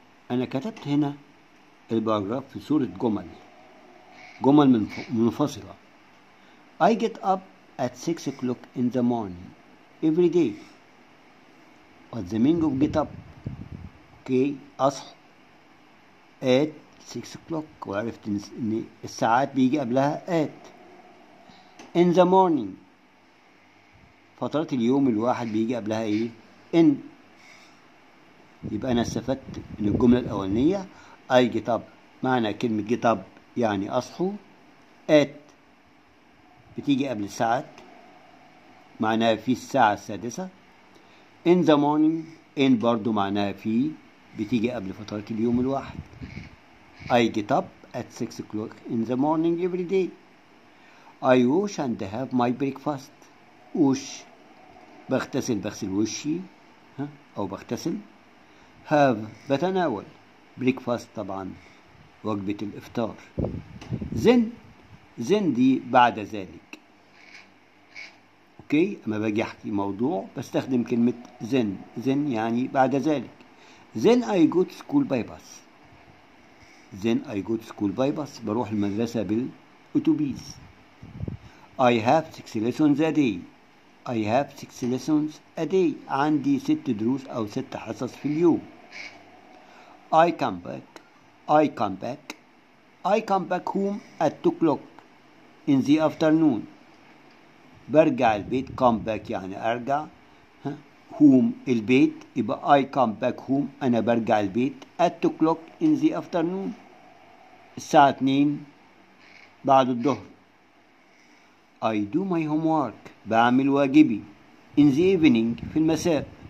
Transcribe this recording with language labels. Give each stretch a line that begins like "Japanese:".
Arabic: انا كتبت هنا الباراجراف في صورة جمل منفصلة.
English: I get up at 6 o'clock in the morning every day. What's the meaning of get up? Okay,
Arabic: أصح
English: at 6 o'clock.
Arabic: وعرفت إن الساعات بيجي قبلها at.
English: In the morning,
Arabic: فترة اليوم الواحد بيجي قبلها إيه؟ in. يبقى أنا استفدت من الجملة الأولانية I get up. معنى كلمة
English: get up
Arabic: يعني أصحو. at بتيجي قبل الساعات معناها في الساعة السادسة.
English: in the morning in
Arabic: برضو معناها في بتيجي قبل فترة اليوم الواحد.
English: I get up at 6 o'clock in the morning every day. I wash and have my breakfast.
Arabic: wash بغتسل بغسل وشي أو بغتسل. have بتناول breakfast طبعا وجبة الإفطار. then دي بعد ذلك. اوكي اما باجي احكي موضوع بستخدم كلمة then يعني بعد ذلك.
English: then I go to school by bus. then I go to school by bus
Arabic: بروح المدرسة بالأتوبيس.
English: I have 6 lessons a day. I have 6 lessons a day.
Arabic: عندي 6 دروس او 6 حصص في اليوم.
English: I come back home at 2 o'clock in the afternoon.
Arabic: برجع البيت
English: come back
Arabic: يعني أرجع home البيت يبقى
English: I come back home
Arabic: أنا برجع البيت
English: at 2 o'clock in the afternoon
Arabic: الساعة 2 بعد الظهر.
English: I do my homework
Arabic: بعمل واجبي
English: in the evening
Arabic: في المساء.